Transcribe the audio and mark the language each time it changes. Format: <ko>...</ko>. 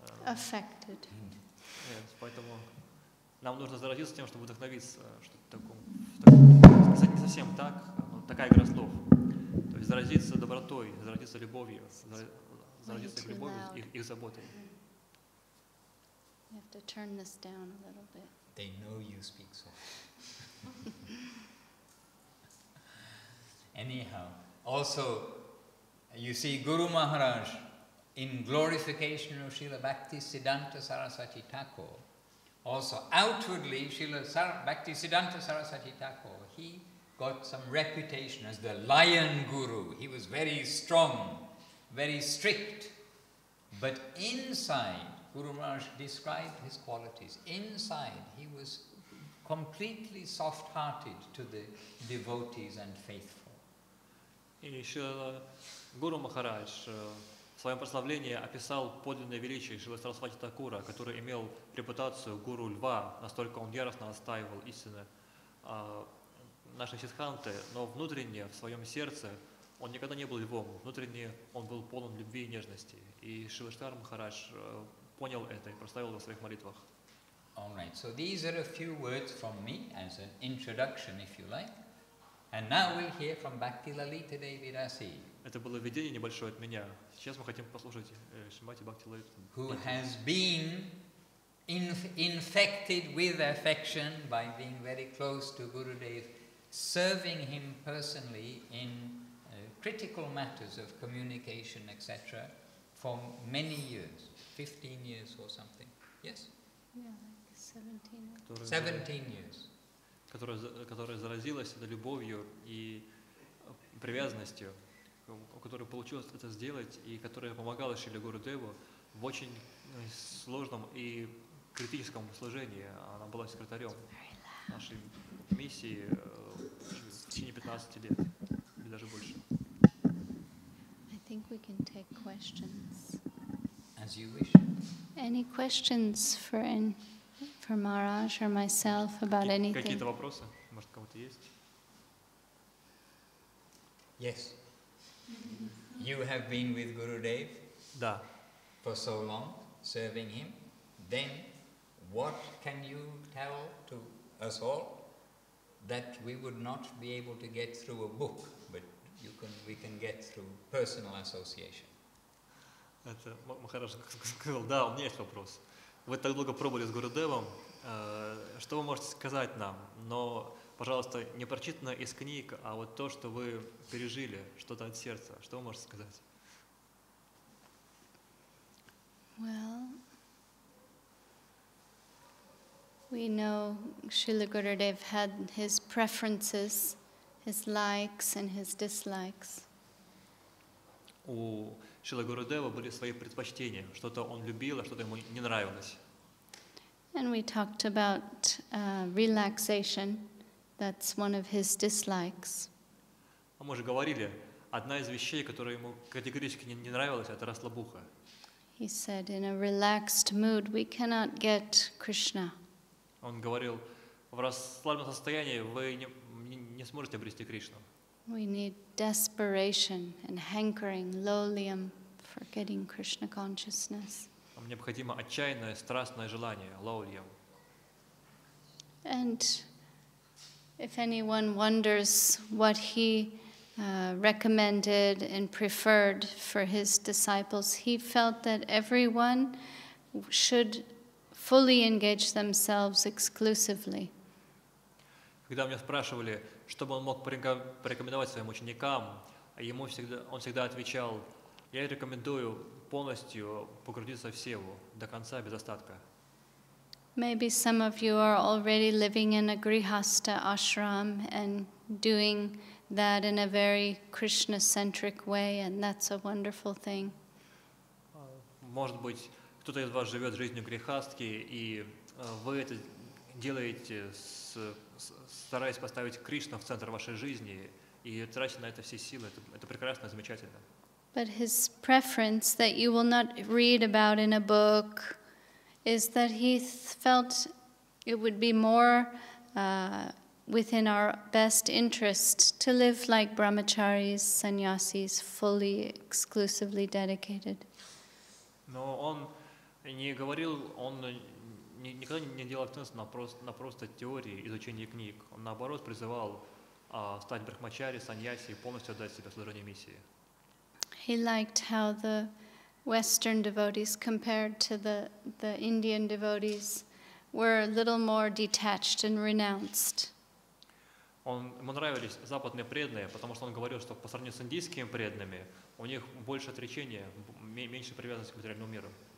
<en>Affected.</en> <ru>Нет, поэтому нам нужно заразиться тем, чтобы вдохновиться, что-то такое. Кстати, не совсем так, но такая игра слов. То есть заразиться добротой, заразиться любовью, заразиться их любовью, их заботой.</ru> <en>You have to turn this down a little bit. They know you speak soft. Anyhow, also, you see, Guru Maharaj, in glorification of Srila Bhakti Siddhanta Sarasvati Thakur, also outwardly, Bhakti Siddhanta Sarasvati Thakur, he got some reputation as the lion guru. He was very strong, very strict. But inside, Guru Maharaj described his qualities. Inside, he was completely soft-hearted to the devotees and faithful.</en> <ru>И Шрила Гуру Махарадж в своем прославлении описал подлинное величие Шрила Сарасвати Такура, который имел репутацию гуру льва, настолько он яростно отстаивал истины нашей сиддханты, но внутренне, в своем сердце, он никогда не был львом. Внутренне он был полон любви и нежности. И Шиваштар Махарадж понял это и прославил его в своих молитвах.</ru> <en>All right. So these are a few words from me as an introduction, if you like. And now we'll hear from Bhakti Lalita Devi Dasi.</en> <ru>Это было введение небольшое от меня. Сейчас мы хотим послушать Шримати Бхакти Лалита.</ru> <en>Who has been infected with affection by being very close to Gurudev, serving him personally in critical matters of communication, etc., for many years, 15 years or something. Yes? Yeah, like 17 years. 17 years.</en> <ru>Которая заразилась этой любовью и привязанностью, которая получилась это сделать, и которая помогала Шриле Гурудеву в очень сложном и критическом служении. Она была секретарем нашей миссии в течение 15 лет, или даже больше.</ru> <en>I think we can take questions. As you wish. Any questions for Maharaj or myself about anything?</en> <ru>Какие-то вопросы? Может, кому-то есть?</ru> <en>Yes. You have been with Gurudev?</en> <ru>Да.</ru> <en>For so long, serving him. Then, what can you tell to us all that we would not be able to get through a book? We can get through personal association.</en> <ru>Это Махарадж сказал, да, у меня есть вопрос. Вы так долго пробовали с Гурудевом, что вы можете сказать нам? Но, пожалуйста, не прочитано из книг, а вот то, что вы пережили, что-то от сердца. Что вы можете сказать?</ru> <en>Well, we know Srila Gurudev had his preferences, his likes and his dislikes.</en> <ru>У Шрилы Гурудевы были свои предпочтения. Что-то он любил, а что-то ему не нравилось.</ru> <en>And we talked about relaxation. That's one of his dislikes.</en> <ru>А мы же говорили, одна из вещей, которая ему категорически не нравилась, это расслабуха.</ru> <en>He said, in a relaxed mood, we cannot get Krishna.</en> <ru>Он говорил, в расслабленном состоянии вы не сможете обрести Кришну.</ru> <en>We need desperation and hankering, lolium for getting Krishna consciousness.</en> <ru>Нам необходимо отчаянное, страстное желание, lolium.</ru> <en>And if anyone wonders what he recommended and preferred for his disciples, he felt that everyone should fully engage themselves exclusively.</en> <ru>Когда меня спрашивали, что бы он мог порекомендовать своим ученикам, ему всегда, он всегда отвечал, я рекомендую полностью погрузиться в севу, до конца, без остатка.</ru> <en>Maybe some of you are already living in a grihastha ashram and doing that in a very Krishna-centric way, and that's a wonderful thing.</en> <ru>Может быть, кто-то из вас живет жизнью грихастки, и вы это делаете с стараясь поставить Кришну в центр вашей жизни и тратить на это все силы. Это прекрасно, замечательно.</ru> <en>But his preference that you will not read about in a book is that he felt it would be more within our best interest to live like brahmacharis, sannyasis, fully, exclusively dedicated.</en> <ru>Но он не говорил, он никогда не делал акцент на просто теории изучения книг. Он, наоборот, призывал стать брахмачари, саньяси и полностью отдать себя служению миссии.</ru> <en>He liked how the Western devotees compared to the Indian devotees were a little more detached and renounced.</en> <ru>Ему нравились западные преданные, потому что он говорил, что по сравнению с индийскими преданными, у них больше отречения, меньше привязанности к материальному миру.</ru>